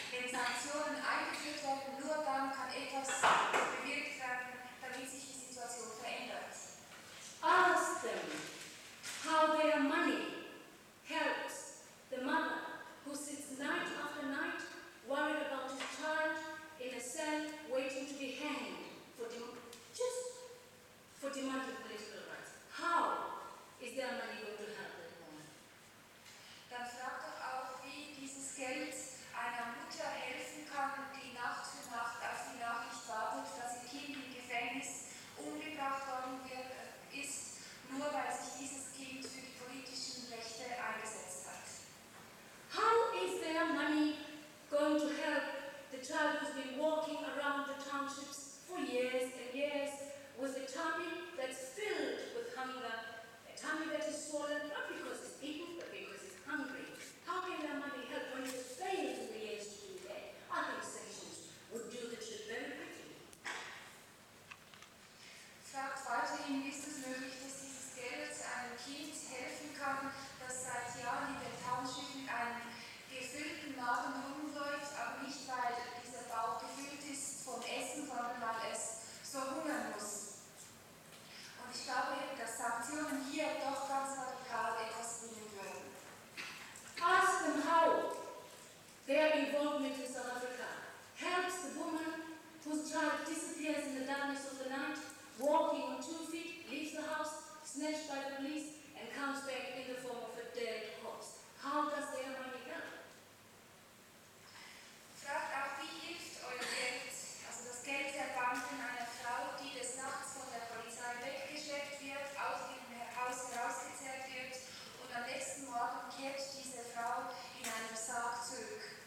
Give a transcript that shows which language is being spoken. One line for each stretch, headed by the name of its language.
German: Sanktionen eingeführt werden, nur dann kann etwas bewirkt werden, damit sich die Situation verändert.
English: Ask them how their money helps the mother who sits night after night worried about his child in a cell waiting to be hanged for demanding political rights. How is their money going to help that woman?
German: Dann frag doch auch, wie dieses Geld einer Mutter helfen kann, die Nacht für Nacht auf die Nachricht wartet, dass ihr Kind im Gefängnis umgebracht worden ist, nur weil sich dieses Kind für die politischen Rechte eingesetzt hat.
English: How is their money going to help the child who's been walking around the townships for years and years with a tummy that's filled with hunger, a tummy that is swollen, not because it's eaten, but because it's hungry? How can their money help when it's failing to be able to do that? I think sanctions would do the trick very quickly.
German: Fragt weiterhin, ist es möglich, dass dieses Geld einem Kind helfen kann, das seit Jahren in der Township mit einem gefüllten Magen rumläuft, aber nicht weil dieser Bauch gefüllt ist vom Essen, sondern weil es so hungern muss. Und ich glaube, dass Sanktionen hier doch ganz radikal etwas bringen würden.
English: Ask them how their involvement in South Africa helps the woman whose child disappears in the darkness of the night, walking on 2 feet, leaves the house, snatched by the police, and comes back in the form of a dead corpse. How does their money help?
German: Fragt auch, wie hilft euer Geld, also das Geld der Banken einer Frau, die des Nachts von der Polizei weggeschleppt wird, aus ihrem Haus herausgezerrt wird und am nächsten Morgen kehrt diese Frau in einem Sarg zurück?